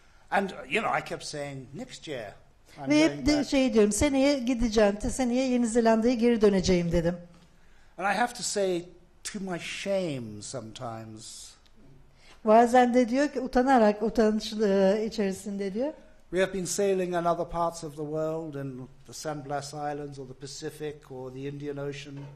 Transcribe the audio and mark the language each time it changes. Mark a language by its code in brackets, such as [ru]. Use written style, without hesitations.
[en] And you know I kept saying next year. [tr] Ve hep de şey diyorum, seneye gideceğim, seneye Yeni Zelanda'ya geri döneceğim dedim. [en] And I have to say to my shame sometimes. [tr] Bazen de diyor ki utanarak, utanış içerisinde diyor. [en] We have been sailing in other parts of the world, in the San Blas Islands or the Pacific or the Indian Ocean.